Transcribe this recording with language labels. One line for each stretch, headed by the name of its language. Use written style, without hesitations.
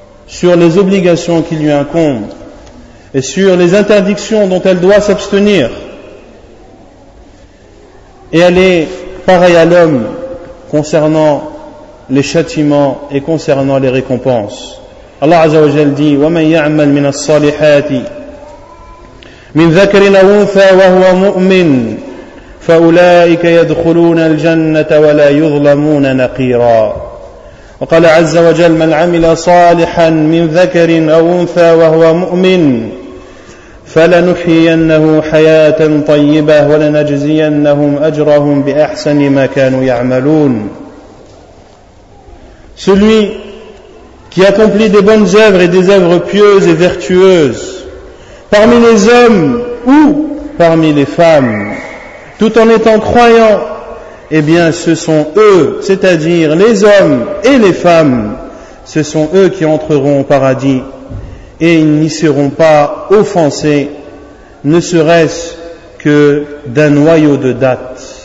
French: sur les obligations qui lui incombent et sur les interdictions dont elle doit s'abstenir. Et elle est pareille à l'homme concernant les châtiments et concernant les récompenses. Allah Azza wa Jal dit:
Arabic: « وَمَنْ يَعْمَلْ مِنَ الصَّالِحَاتِ مِنْ ذَكَرِنَ وُنْفَى وَهُوَ مُؤْمِنْ فَأُولَٰئِكَ يَدْخُلُونَ الْجَنَّةَ وَلَا يُظْلَمُونَ نَقِيرًا » وقال عز وجل: من عمل صالحا من ذكر أو أنثى وهو مؤمن فلنحيينه حياة طيبة ولنجزينهم أجرهم بأحسن ما كانوا يعملون.
French: Celui qui accomplit des bonnes œuvres et des œuvres pieuses et vertueuses parmi les hommes ou parmi les femmes, tout en étant croyant, eh bien, ce sont eux, c'est-à-dire les hommes et les femmes, ce sont eux qui entreront au paradis et ils n'y seront pas offensés, ne serait-ce que d'un noyau de date.